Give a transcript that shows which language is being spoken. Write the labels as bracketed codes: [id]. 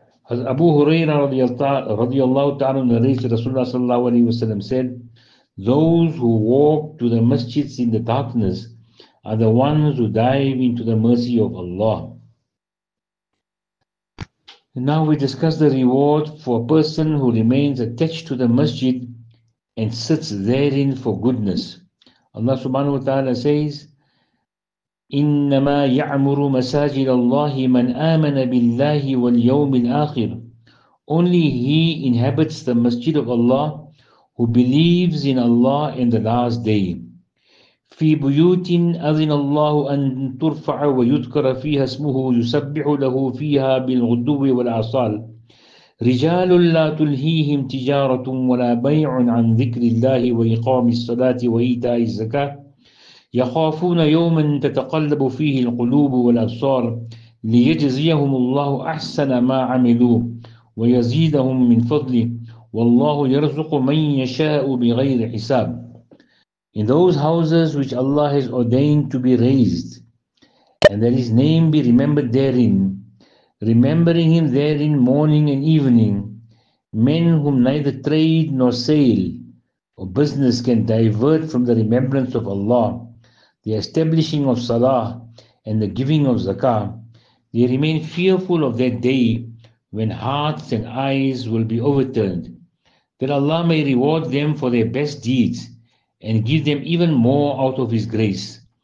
[en] As Abu Huraira radiallahu ta'ala narrates that Rasulullah sallallahu alayhi wa sallam said, those who walk to the masjids in the darkness are the ones who dive into the mercy of Allah. Now we discuss the reward for a person who remains attached to the masjid and sits therein for goodness. Allah subhanahu wa ta'ala says, [ar] إنما يعمر مساجد الله من آمن بالله واليوم الآخر. [en] Only he inhabits the masjid of Allah who believes in Allah in the last day. [ar] في بيوت أذن الله أن ترفع ويذكر فيها اسمه يسبح له فيها بالغدو والأصال رجال لا تلهيهم تجارة ولا بيع عن ذكر الله وإقام الصلاة وإيتاء الزكاة يخافون يوما تتقلب فيه القلوب والأبصار ليجزيهم الله أحسن ما عملوا ويزيدهم من فضله والله يرزق من يشاء بغير حساب. [en] In those houses which Allah has ordained to be raised, and that His name be remembered therein, remembering Him therein morning and evening, men whom neither trade nor sale or business can divert from the remembrance of Allah, the establishing of salah and the giving of zakah, they remain fearful of that day when hearts and eyes will be overturned, that Allah may reward them for their best deeds and give them even more out of His grace.